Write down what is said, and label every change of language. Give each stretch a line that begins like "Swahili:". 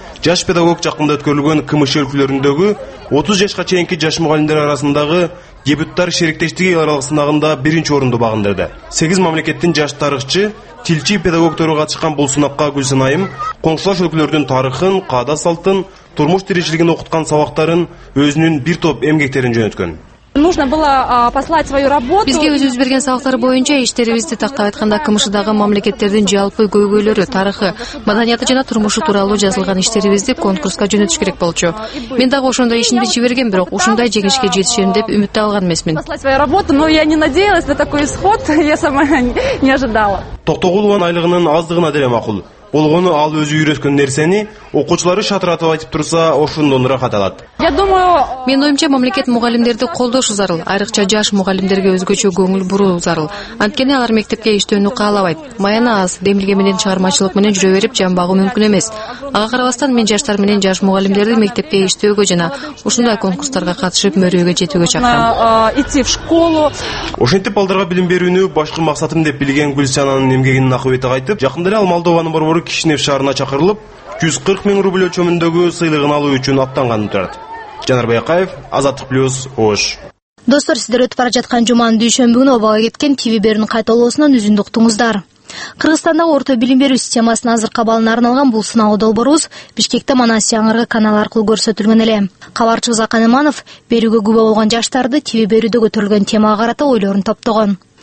Kyrgyz: Жаш педагог жакында өткөрүлгөн КМШ өлкөлөрүндөгү 30 жашка чейинки жаш мугалимдер арасындагы дебюттар шериктештиги аралык сынагында биринчи орунду багындырды. 8 мамлекеттин жаш тарыхчы, тилчи педагогдору катышкан бул сынакка Гүлсана айым коңшулаш өлкөлөрдүн тарыхын, каада салтын, турмуш тиричилигин окуткан сабактарын, өзүнүн бир топ эмгектерин жөнөткөн.
Russian: нужно было послать свою работу.
Kyrgyz: Бизге өзүбүз берген сабактар боюнча иштерибизди тактап айтканда КМШ-дагы мамлекеттердин жалпы көйгөйлөрү, тарыхы, маданияты жана турмушу тууралуу жазылган иштерибизди конкурска жөнөтүш керек болчу. Мен дагы ошондой ишинди жиберген, бирок ушундай жеңишке жетишем деп үмүт алган эмесмин.
Russian: Послать свою работу, но я не надеялась на такой исход, я сама не ожидала.
Kyrgyz: Токтогулованын айлыгынын аздыгына деле макул. Болгону ал өзү үйрөткөн нерсени окуучулары шатыратып айтып турса ошондон ырахат алат.
Russian: Я думаю,
Kyrgyz: мен оюмча мамлекет мугалимдерди колдошу зарыл, айрыкча жаш мугалимдерге өзгөчө көңүл буруу зарыл. Анткени алар мектепке иштөөнү каалабайт. Маяна аз, демилге менен чыгармачылык менен жүрө берип жан багуу мүмкүн эмес. Ага карабастан мен жаштар менен жаш мугалимдерди мектепке иштөөгө жана ушундай конкурстарга катышып мөрөгө жетүүгө чакырам.
Russian: Идти в школу.
Kyrgyz: Ошентип балдарга билим берүүнү башкы максатым деп билген Гүлсананын эмгегинин акыбети кайтып, жакында эле ал Молдованын борбору Кишинев шаарына чакырылып, 140 000 рубль өлчөмүндөгү сыйлыгын алуу үчүн аттанганын турат. Жанар Баякаев, Азаттык Плюс, Ош. Достор, сиздер өтүп бара жаткан жуманын дүйшөмбү күнү обага кеткен ТВ берүүнүн кайталоосунан үзүндү уктуңуздар. Кыргызстандагы орто билим берүү системасынын азыркы абалына арналган бул сынау долбоорубуз Бишкекте Манас жаңыргы канал аркылуу көрсөтүлгөн эле. Кабарчы Закан Иманов берүүгө күбө болгон жаштарды ТВ берүүдө көтөрүлгөн темага карата ойлорун топтогон.